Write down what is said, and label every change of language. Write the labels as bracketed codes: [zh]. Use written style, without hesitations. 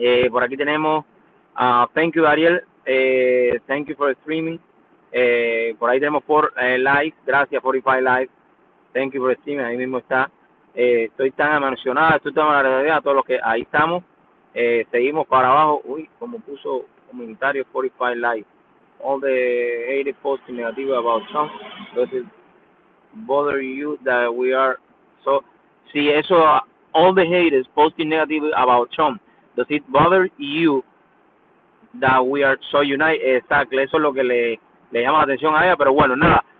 [es] Por aquí tenemos a [en] thank you, Dariel. Thank you for streaming. [es] Por ahí tenemos por live. Gracias, 45 live. [en] Thank you for streaming. [es] Ahí mismo está. Estoy tan emocionado. Estoy tan agradecido a todos los que ahí estamos. Seguimos para abajo. Uy, como puso comentario 45 live. [en] All the hate posts negative about Trump, does it bother you that we are so? [es] Sí, eso, [en] all the haters posting negative about Trump, does it bother you that we are so united? [es] Exacto, eso es lo que le llama la atención a ella, pero bueno, nada.